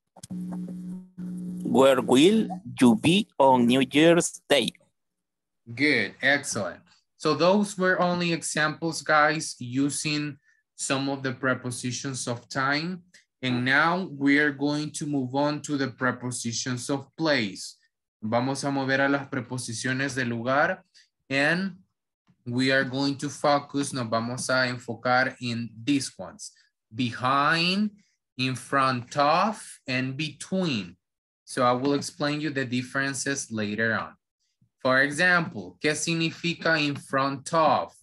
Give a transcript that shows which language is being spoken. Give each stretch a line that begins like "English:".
English: Where will you be on New Year's Day? Good, excellent. So those were only examples, guys, using some of the prepositions of time. And now we are going to move on to the prepositions of place.
Spanish: Vamos a mover a las preposiciones de lugar.
English: And we are going to focus,
Spanish: nos vamos a enfocar
English: in these ones. Behind, in front of, and between. So I will explain you the differences later on. For example,
Spanish: ¿qué significa
English: in front of?